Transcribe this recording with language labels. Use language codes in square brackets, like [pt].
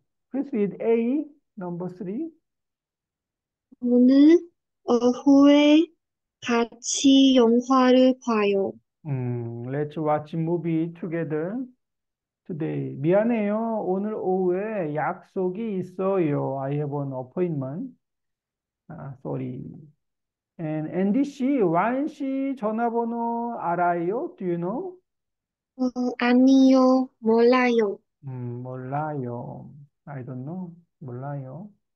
[en] please read A, number three. [ko] 오늘 오후에 같이 영화를 봐요. [en] Let's watch movie together today. [ko] 미안해요. 오늘 오후에 약속이 있어요. [en] I have an appointment. Sorry. [ko] And Andy 씨, Wan 씨 전화번호 알아요? [en] Do you know? [ko] 아니요, 몰라요. 몰라요. [en] I don't know. [ko] 몰라요.